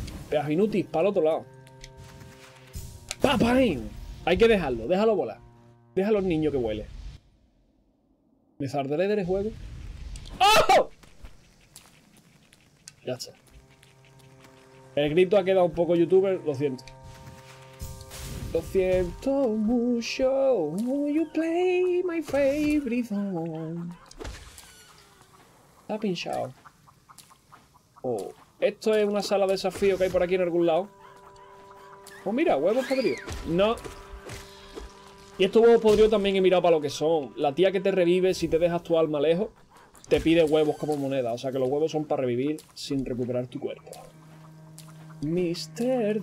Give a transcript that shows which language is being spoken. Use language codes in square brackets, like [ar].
[es] Peaje inútil, para el otro lado. ¡Papain! Hay que dejarlo, déjalo volar. Déjalo al niño que huele. ¿Me saldré del juego? ¡Oh! Ya está. El grito ha quedado un poco youtuber, lo siento. Lo siento mucho. [en] Will you play my favorite song? [es] Está pinchado. Oh. Esto es una sala de desafío que hay por aquí en algún lado. Oh, mira, huevos podridos. No. Y estos huevos podridos también he mirado para lo que son. La tía que te revive si te dejas tu alma lejos te pide huevos como moneda. O sea que los huevos son para revivir sin recuperar tu cuerpo. Mr.